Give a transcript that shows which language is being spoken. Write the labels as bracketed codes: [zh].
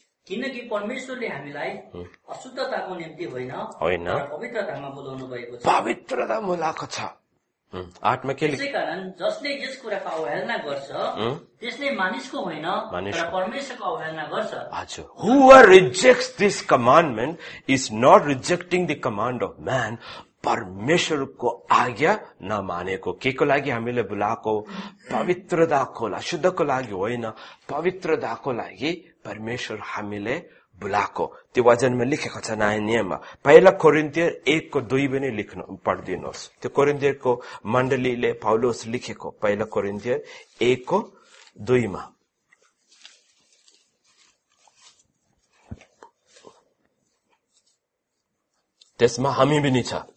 [ne] किनकि परमेश्वरले हामीलाई अशुद्धताको निम्ति होइन पवित्रतामा बोलाउनु भएको छ, पवित्रता बोलाएको छ। आठमा के लेखेको छ? कारण जसले यस कुराको अवहेलना गर्छ त्यसले मानिसको होइन मानिस परमेश्वरको अवहेलना गर्छ। हजुर, [en] whoever rejects this commandment is not rejecting the command of man, [ne] परमेश्वरको आज्ञा नमानेको। के को लागि हामीले बोलाएको? पवित्रताको लागि, शुद्धको लागि होइन, पवित्रताको लागि परमेश्वर हामीले बोलाएको। त्यो वचनमा लिखेको छ नयाँ नियममा, पहिला कोरिन्थियर 1:2 पनि लेख्नु पढिदिनुहोस्। त्यो कोरिन्थियरको मण्डलीले पौलोस लेखेको पहिला कोरिन्थियर 1:2 त्यसमा हामी पनि छ।